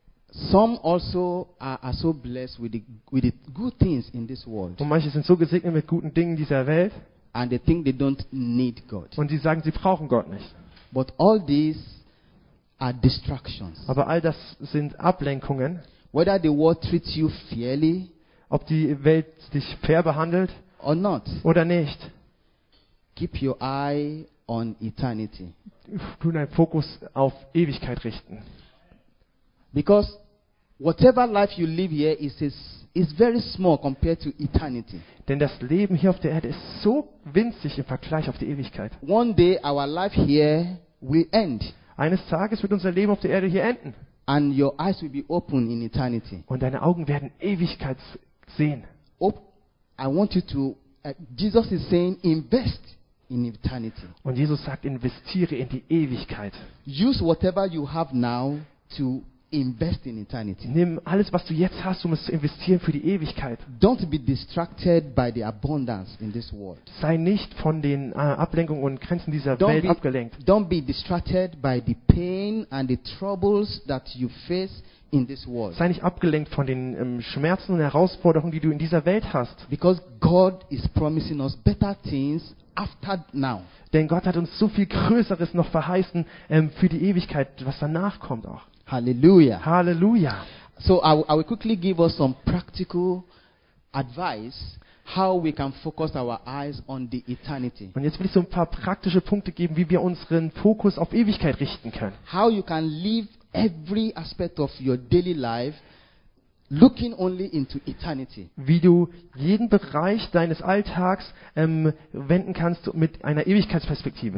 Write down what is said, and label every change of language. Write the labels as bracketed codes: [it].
[en] Some also are so blessed with the good things in this world. [de] Und manche sind so gesegnet mit guten Dingen dieser Welt. [en] And they think they don't need God. [de] Und sie sagen, sie brauchen Gott nicht. [en] But all these are distractions. [de] Aber all das sind Ablenkungen. [en] Whether the world treats you fairly, [de] ob die Welt dich fair behandelt, [en] or not, [de] oder nicht. [en] Keep your eye on eternity. [de] Tu deinen Fokus auf Ewigkeit richten. [en] Because whatever life you live here is very small compared to eternity. [de] Denn das Leben hier auf der Erde ist so winzig im Vergleich auf die Ewigkeit. [en] One day our life here will end. [de] Eines Tages wird unser Leben auf der Erde hier enden. [en] And your eyes will be open in eternity. [de] Und deine Augen werden Ewigkeit sehen. [en] I want you to Jesus is saying invest in eternity. [de] Und Jesus sagt, investiere in die Ewigkeit. [en] Use whatever you have now to invest in eternity. [de] Nimm alles, was du jetzt hast, um es zu investieren für die Ewigkeit. [en] Don't be distracted by the abundance in this world. [de] Sei nicht von den Ablenkungen und Grenzen dieser Welt abgelenkt. [en] Don't be distracted by the pain and the troubles that you face in this world. [de] Sei nicht abgelenkt von den Schmerzen und Herausforderungen, die du in dieser Welt hast. [en] Because God is promising us better things after now. [de] Denn Gott hat uns so viel Größeres noch verheißen für die Ewigkeit, was danach kommt auch. [en] Hallelujah. Hallelujah. So I will quickly give us some practical advice how we can focus our eyes on the eternity. [de] Und jetzt will ich so ein paar praktische Punkte geben, wie wir unseren Fokus auf Ewigkeit richten können. [en] How you can live every aspect of your daily life looking only into eternity. [de] Wie du jeden Bereich deines Alltags wenden kannst mit einer Ewigkeitsperspektive.